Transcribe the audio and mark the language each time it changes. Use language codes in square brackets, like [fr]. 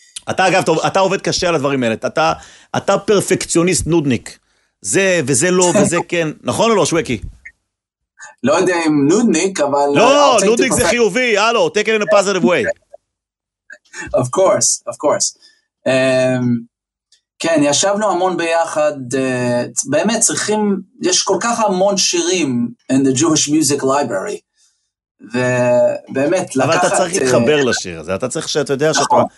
[he] אתה אגב, טוב, אתה עובד קשה על הדברים האלה, אתה פרפקציוניסט נודניק, זה וזה לא וזה כן, נכון או לא, שווקי? לא יודע אם נודניק, אבל... לא, נודניק זה חיובי, הלו, [en] take it in a positive way. Of course, of course. [he] כן, ישבנו המון ביחד, באמת צריכים, יש כל כך המון שירים [en] in the Jewish Music Library, [he] ובאמת לקחת... אבל אתה צריך להתחבר לשיר הזה, אתה צריך שאתה יודע שאתה...